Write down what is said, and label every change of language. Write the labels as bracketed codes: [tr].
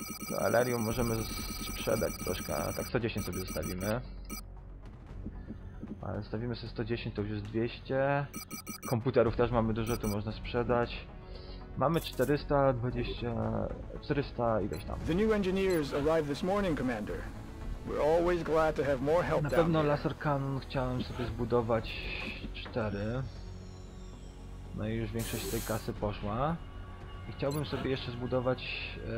[pl] To Elerium możemy sprzedać troszkę. Tak 110 sobie zostawimy. Ale stawimy sobie 110, to już jest 200. Komputerów też mamy dużo, tu można sprzedać. Mamy 420... 400 ileś tam. [en] The new engineers arrived this morning, commander. We're always glad to have more help. [pl] Na pewno laser cannon chciałem sobie zbudować 4. No i już większość tej kasy poszła. I chciałbym sobie jeszcze zbudować...